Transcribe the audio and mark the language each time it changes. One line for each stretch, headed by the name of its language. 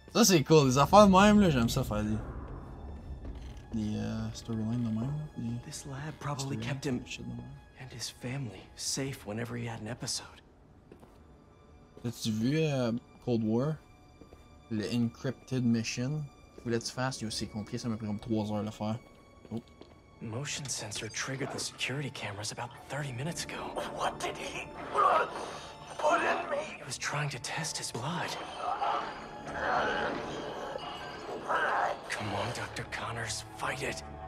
French: Ça c'est cool, les affaires de même là, j'aime ça faire les storylines de même. Les...
English: This lab probably kept him and his family safe whenever he had an episode.
French: T'as-tu vu Cold War? Le
English: encrypted mission?
French: Voulais-tu faire, c'est aussi compliqué, ça m'a pris comme 3 heures à le faire. Oh.
English: Motion sensor triggered the security cameras about 30 minutes ago. What did he put in me? He was trying to test his blood. Come on, Dr. Connors, fight it.